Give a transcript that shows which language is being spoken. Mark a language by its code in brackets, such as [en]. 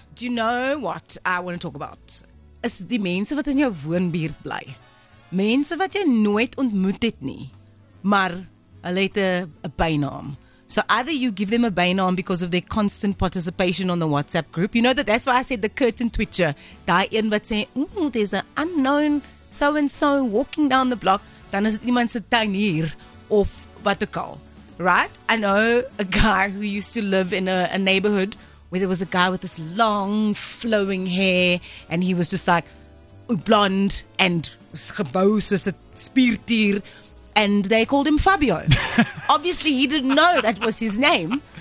[en] Do you know what I want to talk about? [af] Is die mense wat in jou woonbuurt bly. Mense wat jy nooit ontmoet het nie, maar hulle het 'n bynaam. [en] So either you give them a bynaam because of their constant participation on the WhatsApp group. You know that that's why I said the curtain twitcher. [af] Daai een wat sê, [en] there's an unknown so-and-so walking down the block. [af] Dan is dit iemand se tuinier of wat ook al. [en] Right? I know a guy who used to live in a neighborhood where there was a guy with this long flowing hair and he was just like blonde and [af] gebou soos 'n spiertier. [en] And they called him Fabio. Obviously, he didn't know that was his name.